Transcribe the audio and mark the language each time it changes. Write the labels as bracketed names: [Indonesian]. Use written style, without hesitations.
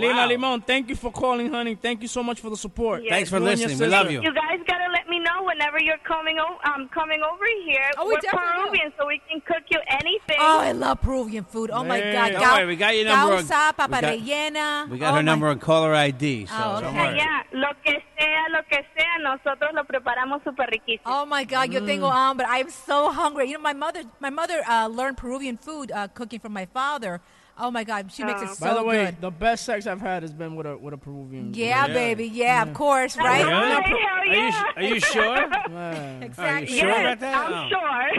[English] Lima Limon, thank you for calling, honey. Thank you so much for the support. Yes. Thanks for listening. We love you. You guys got to let me know whenever you're coming over here. Oh, we're Peruvian, so we can cook you anything. Oh, I love Peruvian food. Oh, my God. Don't worry, we got your number. Causa, papadilla. We got her number and caller ID, so don't worry. [Spanish] Yeah, lo que sea, nosotros lo preparamos super riquísimo. [English] Oh, my God, yo tengo hambre. I'm so hungry. You know, my mother learned Peruvian food cooking from my father. Oh, my God, she makes it so good. By the way, good. The best sex I've had has been with a Peruvian. Yeah, yeah. Baby, yeah, yeah, of course, right? Really? Yeah. Are you sure? Exactly. Are you sure about that? I'm sure.